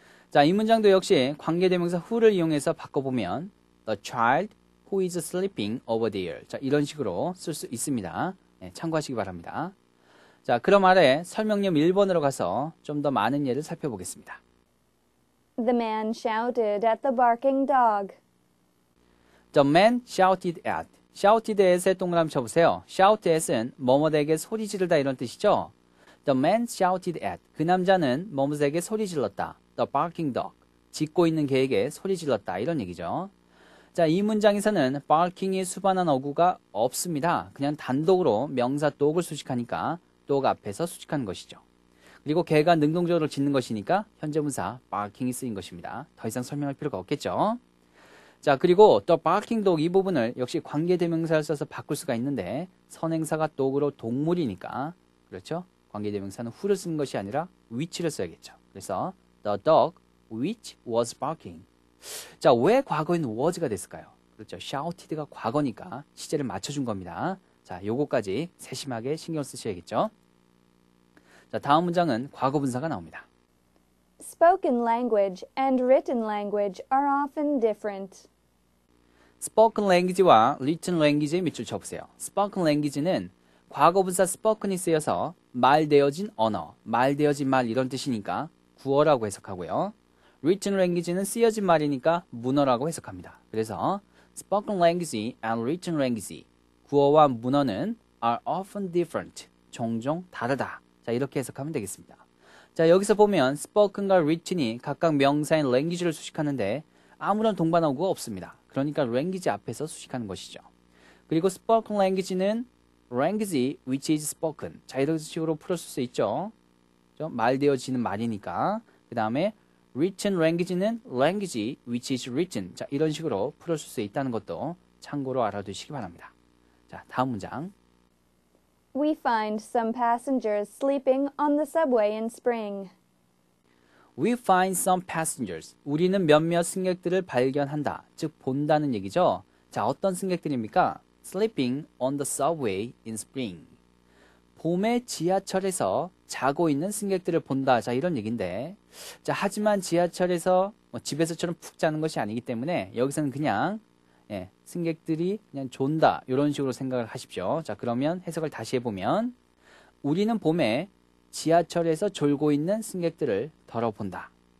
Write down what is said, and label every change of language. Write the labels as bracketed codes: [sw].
[ko] 자, 이 문장도 역시 관계대명사 who를 이용해서 바꿔보면 [en] the child who is sleeping over there. [ko] 자, 이런 식으로 쓸 수 있습니다. 네, 참고하시기 바랍니다. 자, 그럼 아래 설명념 1번으로 가서 좀 더 많은 예를 살펴보겠습니다. [en] The man shouted at the barking dog. The man shouted at. [ko] Shouted at의 동그라미 쳐보세요. Shout at은 뭐뭐에게 소리 지르다 이런 뜻이죠. [en] The man shouted at. [ko] 그 남자는 뭐뭐에게 소리 질렀다. [en] The barking dog. [ko] 짖고 있는 개에게 소리 질렀다. 이런 얘기죠. 자, 이 문장에서는 barking이 수반한 어구가 없습니다. 그냥 단독으로 명사 dog을 수식하니까 dog 앞에서 수식한 것이죠. 그리고 개가 능동적으로 짖는 것이니까 현재 분사 barking이 쓰인 것입니다. 더 이상 설명할 필요가 없겠죠. 자, 그리고 [en] the barking dog [ko] 이 부분을 역시 관계대명사를 써서 바꿀 수가 있는데 선행사가 dog으로 동물이니까 그렇죠? 관계대명사는 who를 쓴 것이 아니라 which를 써야겠죠. [en] 그래서 The dog which was barking. [ko] 자, 왜 과거인 was가 됐을까요? 그렇죠. shouted가 과거니까 시제를 맞춰준 겁니다. 자, 요거까지 세심하게 신경 쓰셔야겠죠. 자, 다음 문장은 과거 분사가 나옵니다. [en] Spoken language and written language are often different. [ko] Spoken language와 written language의 밑줄 쳐보세요. Spoken language는 과거 분사 spoken이 쓰여서 말되어진 언어, 말되어진 말 이런 뜻이니까 구어라고 해석하고요. Written language는 쓰여진 말이니까 문어라고 해석합니다. 그래서 [en] spoken language and written language, [ko] 구어와 문어는 [en] are often different, [ko] 종종 다르다. 자, 이렇게 해석하면 되겠습니다. 자, 여기서 보면 spoken과 written이 각각 명사인 language를 수식하는데 아무런 동반 어구가 없습니다. 그러니까 language 앞에서 수식하는 것이죠. [en] 그리고 spoken language는 language which is spoken. [ko] 자, 이런 식으로 풀어줄 수 있죠. 말되어지는 말이니까. [en] 그 다음에 written language는 language which is written. [ko] 자, 이런 식으로 풀어줄 수 있다는 것도 참고로 알아두시기 바랍니다. 자, 다음 문장. [en] We find some passengers sleeping on the subway in spring. We find some passengers. [ko] 우리는 몇몇 승객들을 발견한다. 즉, 본다는 얘기죠. 자, 어떤 승객들입니까? [en] Sleeping on the subway in spring. [ko] 봄에 지하철에서 자고 있는 승객들을 본다. 자, 이런 얘기인데. 자, 하지만 지하철에서 뭐 집에서처럼 푹 자는 것이 아니기 때문에 여기서는 그냥 예, 승객들이 그냥 존다. 이런 식으로 생각을 하십시오. 자, 그러면 해석을 다시 해보면 우리는 봄에 지하철에서 졸고 있는 승객들을 덜어본다.